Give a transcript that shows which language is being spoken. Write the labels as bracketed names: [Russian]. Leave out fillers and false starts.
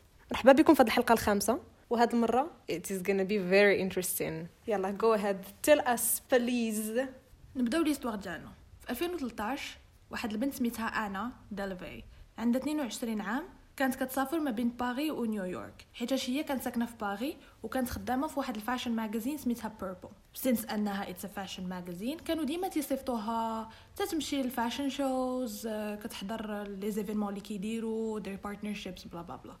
[Arabic] مرحبا بكم في هذه الحلقه الخامسه، وهذه المره [English] it is gonna be very interesting. يلا go ahead tell us please. [Arabic] نبداو ليستوار ديالنا. في 2013 واحد البنت سميتها انا دالفي عندها 22 عام، كانت كتسافر ما بين باري ونيويورك حيت هي كانت ساكنه في باري وكانت خدامه في واحد الفاشن ماجازين سميتها بيربل. [English] since [Arabic] انها [English] it's fashion magazine [Arabic] كانوا ديما تيصيفطوها تتمشي للفاشن شوز، كتحضر لي زيفينمون اللي كيديروا دير بارتنرشيبس بلا بلا بلا.